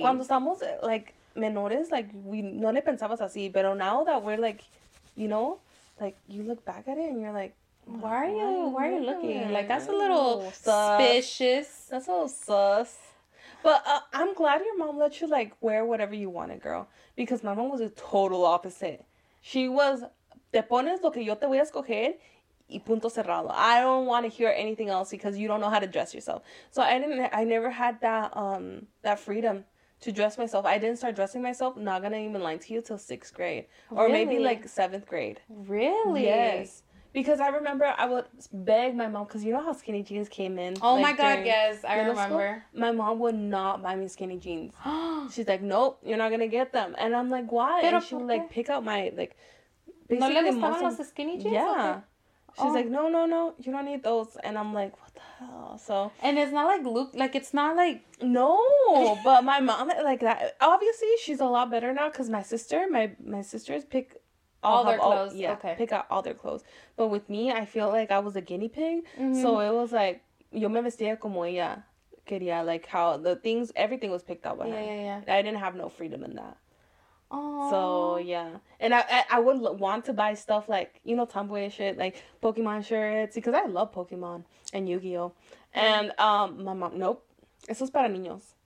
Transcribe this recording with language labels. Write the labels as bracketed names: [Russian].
[English] Cuando estamos, like, menores, like, we no le pensamos así, pero now that we're, like, you know, like, you look back at it and you're like, why are you looking? Like, that's a little suspicious. That's a little sus. But I'm glad your mom let you, like, wear whatever you wanted, girl, because my mom was a total opposite. [Spanish] She was, te pones lo que yo te voy a escoger y punto cerrado. [English] I don't want to hear anything else because you don't know how to dress yourself. So I never had that that freedom to dress myself. I didn't start dressing myself, not going to even lie to you, till 6th grade. Really? Or maybe like 7th grade. Really? Yes. Because I remember I would beg my mom, because you know how skinny jeans came in? Oh, like, my God, yes. I remember. School, my mom would not buy me skinny jeans. She's like, nope, you're not going to get them. And I'm like, why? Pero and she would, like, pick out my, like, basically no, most of the skinny jeans? Yeah. Okay. She's like, no, you don't need those. And I'm like, what the hell? So. And it's not like Luke, like, it's not like. No, but my mom, like, that. Obviously, she's a lot better now, because my sister, my sisters pick. All their clothes. Yeah, okay. Pick out all their clothes. But with me, I feel like I was a guinea pig. Mm-hmm. [Spanish] So it was like, yo me vestía como ella quería. [English] Like, how the things, everything was picked out by her. Yeah. I didn't have no freedom in that. Oh. So, yeah. And I would want to buy stuff like, you know, tomboy shit, like Pokemon shirts, because I love Pokemon and Yu-Gi-Oh. And my mom, nope. Eso es para niños.